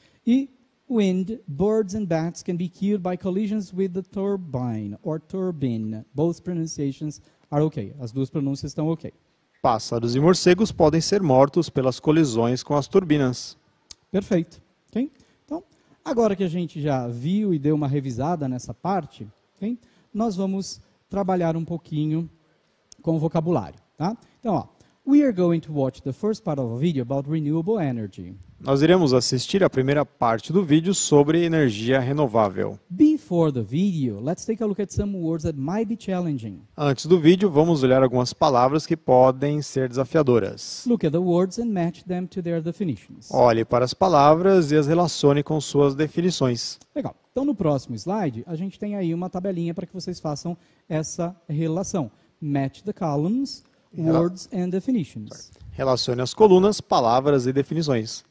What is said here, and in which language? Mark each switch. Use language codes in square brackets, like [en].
[en] E wind, birds and bats can be killed by collisions with the turbine or turbine. Both pronunciations are okay. [pt] As duas pronúncias estão okay. Pássaros e morcegos podem ser mortos pelas colisões com as turbinas. Perfeito. Okay? Então, agora que a gente já viu e deu uma revisada nessa parte, okay, nós vamos trabalhar um pouquinho com o vocabulário. Tá? [en] Então, ó, we are going to watch the first part of a video about renewable energy. [pt] Nós iremos assistir a primeira parte do vídeo sobre energia renovável. [en] Before the video, let's take a look at some words that might be challenging. [pt] Antes do vídeo, vamos olhar algumas palavras que podem ser desafiadoras. [en] Look at the words and match them to their definitions. [pt] Olhe para as palavras e as relacione com suas definições. Legal. Então, no próximo slide, a gente tem aí uma tabelinha para que vocês façam essa relação. [en] Match the columns, words and definitions. [pt] Relacione as colunas, palavras e definições.